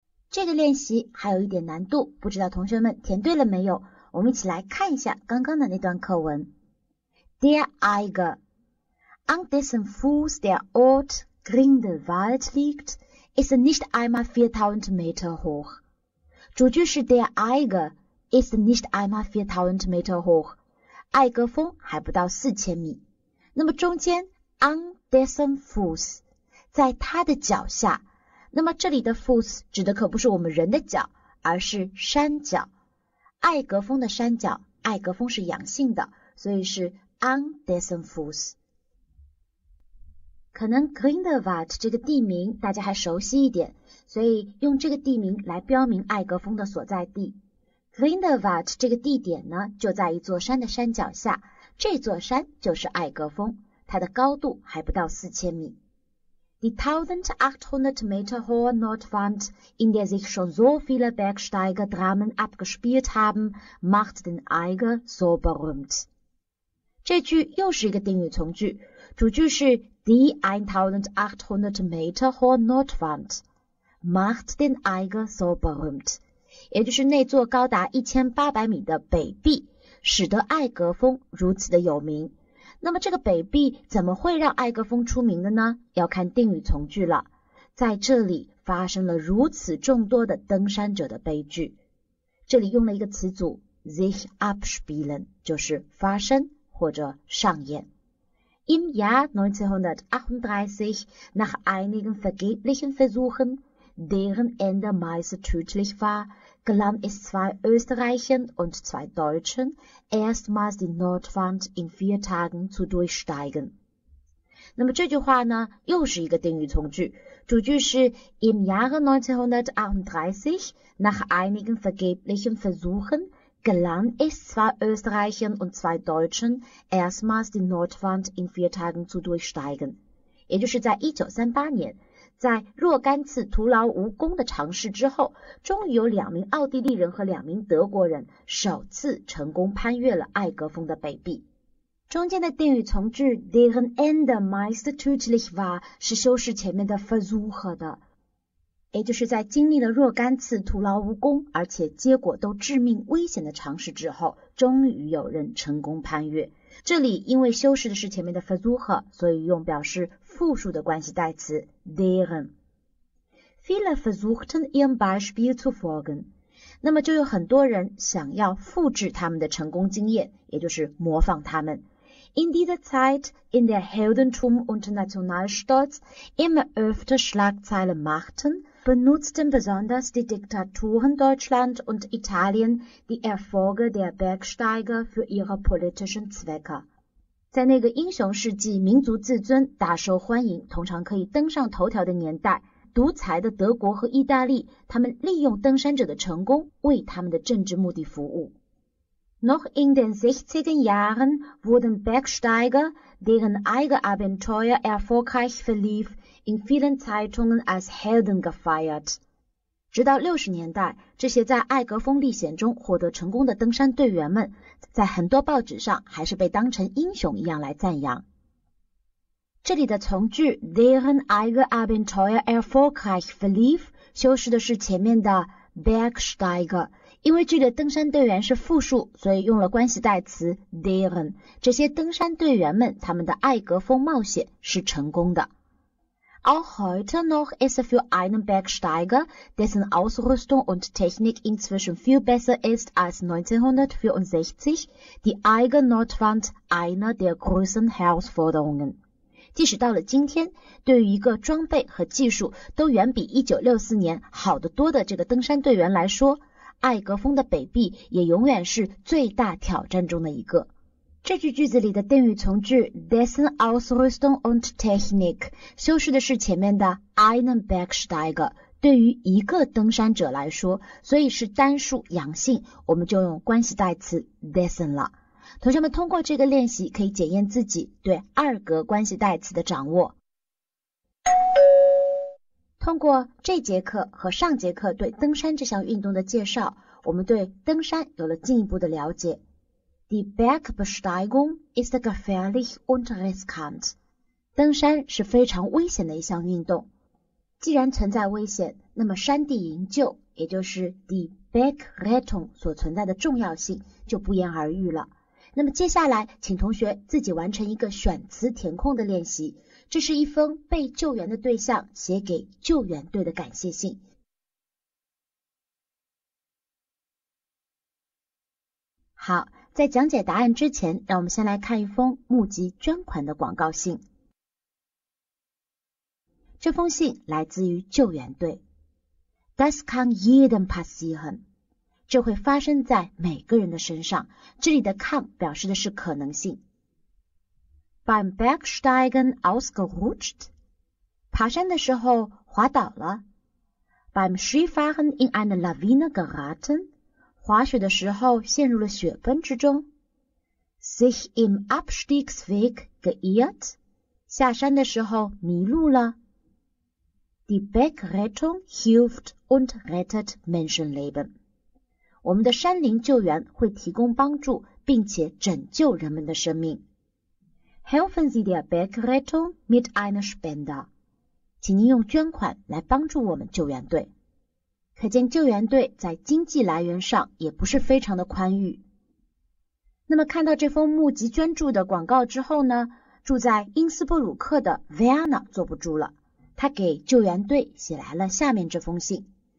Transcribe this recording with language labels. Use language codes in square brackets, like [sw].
[zh] 这个练习还有一点难度，不知道同学们填对了没有？我们一起来看一下刚刚的那段课文。 [de] Der Eiger, an dessen Fuß der Ort Grindelwald liegt, ist nicht einmal 4000 Meter hoch. [zh] 主句是 [de] Der Eiger ist nicht einmal 4000 Meter hoch. [zh] 艾格峰还不到四千米。那么中间 [de] an dessen Fuß, [zh] 在他的脚下。那么这里的 Fuß 指的可不是我们人的脚，而是山脚。艾格峰的山脚，艾格峰是阳性的，所以是 [de] an dessen Fuß。 [zh] 可能 Grindelwald 这个地名大家还熟悉一点，所以用这个地名来标明艾格峰的所在地。 Grindelwald 这个地点呢，就在一座山的山脚下，这座山就是艾格峰，它的高度还不到4000米。 [de] Die 1800 Meter hohe Nordwand, in der sich schon so viele Bergsteiger-Dramen abgespielt haben, macht den Eiger so berühmt. [zh] 这句又是一个定语从句，主句是 [de] Die 1800 Meter hohe Nordwand. macht den Eiger so berühmt. [zh] 也就是那座高达1800米的北壁使得艾格峰如此的有名。那么这个北壁怎么会让艾格峰出名的呢？要看定语从句了。在这里发生了如此众多的登山者的悲剧。这里用了一个词组 [de] sich abspielen, [zh] 就是发生或者上演。 [de] Im Jahr 1938, nach einigen vergeblichen Versuchen, deren Ende meist tödlich war, gelang es zwei Österreichern und zwei Deutschen, erstmals die Nordwand in 4 Tagen zu durchsteigen. [zh] 那么这句话呢，又是一个定语从句，主句是 [de] Im Jahr 1938, nach einigen vergeblichen Versuchen,gelang es zwei Österreichern und zwei Deutschen erstmals die Nordwand in 4 Tagen zu durchsteigen. [zh] 也就是在1938年，在若干次徒劳无功的尝试之后，终于有两名奥地利人和两名德国人首次成功攀越了艾格峰的北壁。中间的定语从句 [de] deren Ende meist tödlich war [zh] 是修饰前面的 Versuche 的。也就是在经历了若干次徒劳无功，而且结果都致命危险的尝试之后，终于有人成功攀越。这里因为修饰的是前面的 Versuche, 所以用表示复数的关系代词 deren. [de] Viele versuchten ihrem Beispiel zu folgen. [zh] 那么就有很多人想要复制他们的成功经验，也就是模仿他们。 [de] In dieser Zeit, in der Heldentum und Nationalstolz immer öfter Schlagzeilen machten, benutzten besonders die Diktaturen Deutschland und Italien die Erfolge der Bergsteiger für ihre politischen Zwecke. [zh] 在那个英雄事迹、民族自尊大受欢迎、通常可以登上头条的年代，独裁的德国和意大利，他们利用登山者的成功为他们的政治目的服务。 [de] Noch in den 60er Jahren wurden Bergsteiger, deren Eigenabenteuer erfolgreich verlief, in vielen Zeitungen als Helden gefeiert. [zh] 直到60年代，这些在艾格峰历险中获得成功的登山队员们，在很多报纸上还是被当成英雄一样来赞扬。这里的从句 [de] deren Eigenabenteuer erfolgreich verlief [zh] 修饰的是前面的 Bergsteiger,因为这里的登山队员是复数，所以用了关系代词 deren。这些登山队员们，他们的艾格峰冒险是成功的。 [de] Auch heute noch ist für einen Bergsteiger, dessen Ausrüstung und Technik inzwischen viel besser ist als 1964, die eigene Nordwand einer der größten Herausforderungen. [zh] 即使到了今天，对于一个装备和技术都远比1964年好得多的这个登山队员来说，艾格峰的北壁也永远是最大挑战中的一个。这句句子里的定语从句 [de] dessen Ausrüstung und Technik [zh] 修饰的是前面的 einen Bergsteiger, 对于一个登山者来说，所以是单数阳性，我们就用关系代词 dessen 了。同学们通过这个练习可以检验自己对二格关系代词的掌握。通过这节课和上节课对登山这项运动的介绍，我们对登山有了进一步的了解。 [de] Die Bergbesteigung ist gefährlich und riskant. [zh] 登山是非常危险的一项运动。既然存在危险，那么山地营救，也就是 [de] Die Bergrettung [zh] 所存在的重要性就不言而喻了。那么接下来请同学自己完成一个选词填空的练习，这是一封被救援的对象写给救援队的感谢信。好，在讲解答案之前，让我们先来看一封募集捐款的广告信。这封信来自于救援队。 [de] Das kann jedem passieren， [zh] 这会发生在每个人的身上，这里的 kann 表示的是可能性。 [de] Beim Bergsteigen ausgerutscht， [zh] 爬山的时候滑倒了。 [de] Beim Skifahren in eine Lawine geraten， [zh] 滑雪的时候陷入了雪崩之中。 [de] Sich im Abstiegsweg geirrt， [zh] 下山的时候迷路了。 [de] Die Bergrettung hilft und rettet Menschenleben， [zh] 我们的山林救援会提供帮助，并且拯救人们的生命。 [de] Helfen Sie der Bergrettung mit einer Spende. [zh] 请您用捐款来帮助我们救援队。可见救援队在经济来源上也不是非常的宽裕。那么看到这封募集捐助的广告之后呢，住在因斯布鲁克的 Vienna 坐不住了，他给救援队写来了下面这封信。